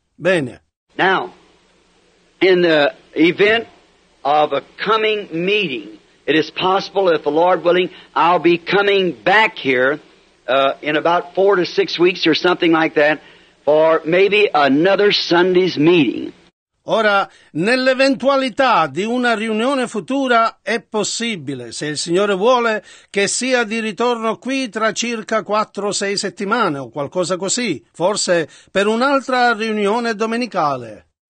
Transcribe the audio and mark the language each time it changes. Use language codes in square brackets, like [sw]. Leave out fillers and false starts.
[it] Bene. [en] Now, in the event of a coming meeting, it is possible, if the Lord willing, I'll be coming back here in about 4 to 6 weeks or something like that for maybe another Sunday's meeting. [it] Ora, nell'eventualità di una riunione futura è possibile, se il Signore vuole, che sia di ritorno qui tra circa 4-6 settimane o qualcosa così, forse per un'altra riunione domenicale.